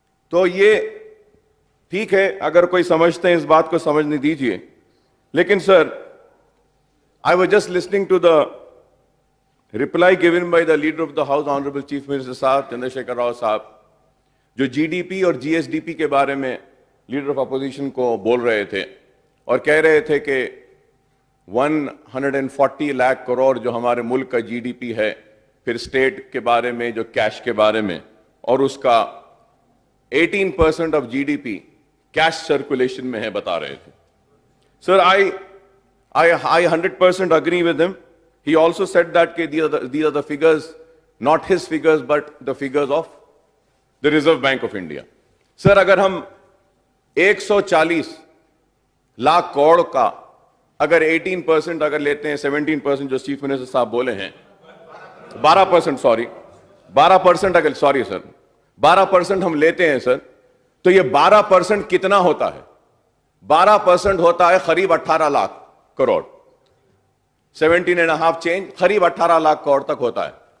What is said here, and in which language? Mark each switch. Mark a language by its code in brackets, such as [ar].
[ur] تو یہ ٹھیک ہے، اگر کوئی سمجھتے ہیں اس بات کو سمجھنے دیجئے۔ لیکن سر، [en] I was just listening to the reply given by the leader of the house [ur] honourable chief minister صاحب چندر شیکھر راؤ صاحب، جو جی ڈی پی اور جی ایس ڈی پی کے بارے میں لیڈر آف اپوزیشن کو بول رہے تھے اور کہہ رہے تھے کہ 140 لاکھ کروڑ جو ہمارے ملک کا جی ڈی پی ہے، پھر اسٹیٹ کے بارے میں جو کیش کے بارے میں, اور اس کا 18% of جی D P cash circulation میں ہے بتا رہے تھے. [en] Sir I 100% agree with him. He also said that these are the figures not his figures but the figures of the reserve bank of India. [ur] سر اگر ہم 140 لاکھ کروڑ کا اگر 18% اگر لیتے ہیں, 17% جو چیف منسٹر صاحب بولے ہیں, 12% ہم لیتے ہیں سر, تو یہ 12% کتنا ہوتا ہے؟ 12% ہوتا ہے قریب 18 لاکھ کروڑ, 17.5 چینج, قریب 18 لاکھ کروڑ تک ہوتا ہے.